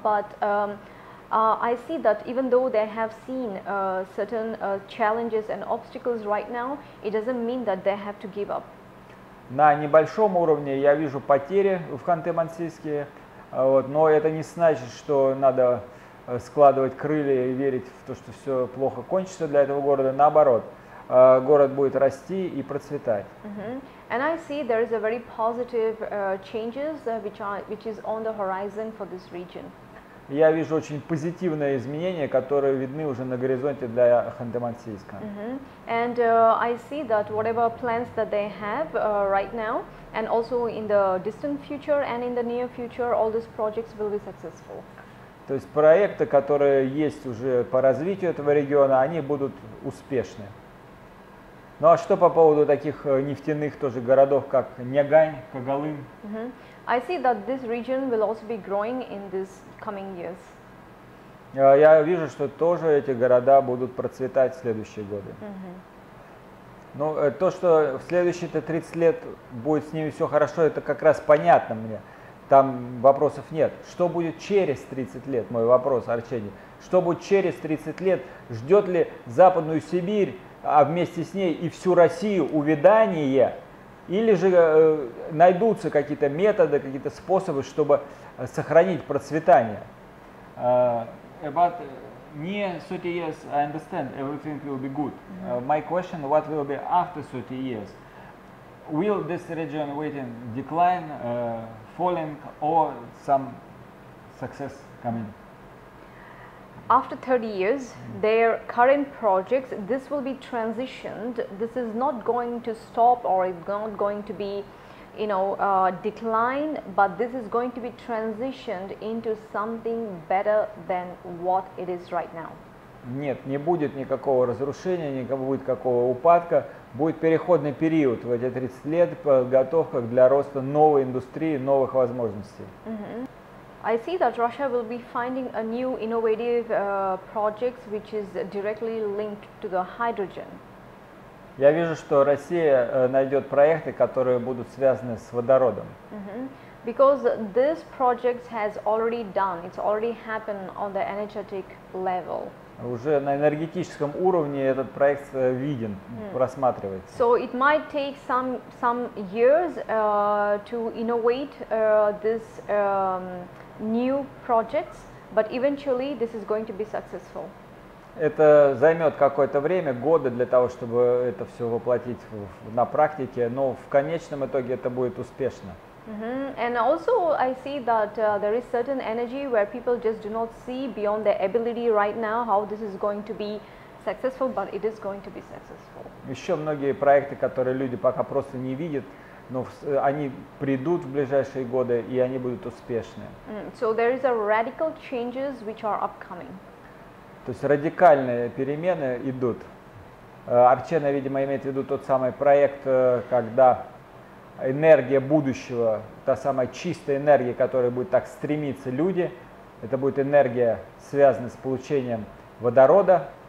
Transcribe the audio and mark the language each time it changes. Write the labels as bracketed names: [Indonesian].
[English] But I see that even though they have seen certain challenges and obstacles right now, it doesn't mean that they have to give up. [Russian] На небольшом уровне я вижу потери в Ханты-Мансийске, но это не значит, что надо складывать крылья и верить в то, что все плохо кончится для этого города. Наоборот, город будет расти и процветать. [English] And I see there is a very positive changes which is on the horizon for this region. [Russian] Я вижу очень позитивные изменения, которые видны уже на горизонте для Ханты-Мансийска. [English] And I see that whatever plans that they have right now and also in the distant future and in the near future, all these projects will be successful. [Russian] То есть проекты, которые есть уже по развитию этого региона, они будут успешны. Ну а что по поводу таких нефтяных тоже городов, как Нягань, Когалым? [English] I see that this region will also be growing in these coming years. [Russian] Я вижу, что тоже эти города будут процветать в следующие годы. Ну, то, что в следующие-то 30 лет будет с ними все хорошо, это как раз понятно мне. Там вопросов нет. Что будет через 30 лет? Мой вопрос, Арчене. Что будет через 30 лет? Ждет ли Западную Сибирь, а вместе с ней и всю Россию увядание? Или же найдутся какие-то методы, какие-то способы, чтобы сохранить процветание? [English] About near 30 years, I understand everything will be good. My question, what will be after 30 years? Will this region waiting decline? Falling or some success coming? After 30 years, their current projects, this will be transitioned. This is not going to stop or it's not going to be, decline, but this is going to be transitioned into something better than what it is right now. [Russian] Нет, не будет никакого разрушения, не будет какого упадка. Будет переходный период в эти 30 лет, подготовка для роста новой индустрии, новых возможностей. [English] I see that Russia will be finding a new innovative projects, which is directly linked to the hydrogen. [Russian] Я вижу, что Россия найдет проекты, которые будут связаны с водородом. [English] Because this project has already done, it's already happened on the energetic level. [Russian] Уже на энергетическом уровне этот проект виден, рассматривается. [English] So it might take some years to innovate this new projects, but eventually this is going to be successful. [Russian] Это займет какое-то время, годы для того, чтобы это все воплотить на практике, но в конечном итоге это будет успешно. Mm-hmm. [English] And also, I see that there is certain energy where people just do not see beyond their ability right now how this is going to be successful, but it is going to be successful. [Russian] Еще многие проекты, которые люди пока просто не видят, но они придут в ближайшие годы и они будут успешны. [English] So there is a radical changes which are upcoming. [Russian] То есть радикальные перемены идут. Арчена, видимо, имеет в виду тот самый проект, когда энергия будущего, та самая чистая энергия, к которой будет так стремиться люди, это будет энергия, связанная с получением водорода.